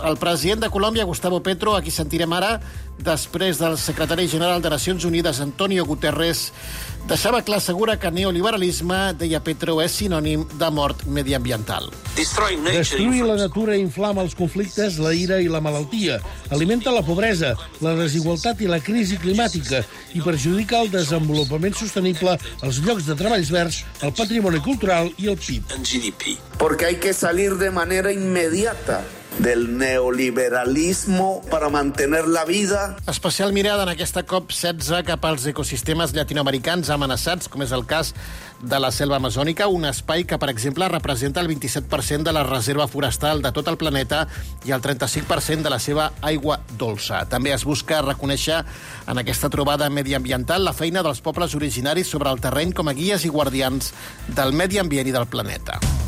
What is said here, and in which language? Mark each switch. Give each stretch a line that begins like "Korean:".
Catalan: El president de Colòmbia, Gustavo Petro, a qui sentirem ara, després del secretari general de Nacions Unides, Antonio Guterres, deixava clar, assegura, que neoliberalisme, deia Petro, és sinònim de mort mediambiental. Destruir la natura inflama els conflictes, la ira i la malaltia, alimenta la pobresa, la desigualtat i la crisi climàtica i perjudica el desenvolupament sostenible, els llocs de treballs verds, el patrimoni cultural i el PIB.
Spanish: Porque hay que salir de manera inmediata del neoliberalismo para mantener la vida.
Catalan: Especial mirada en aquesta COP16 cap als ecosistemes llatinoamericans amenaçats, com és el cas de la selva amazònica, un espai que, per exemple, representa el 27% de la reserva forestal de tot el planeta i el 35% de la seva aigua dolça. També es busca reconèixer en aquesta trobada mediambiental la feina dels pobles originaris sobre el terreny com a guies i guardians del medi ambient i del planeta.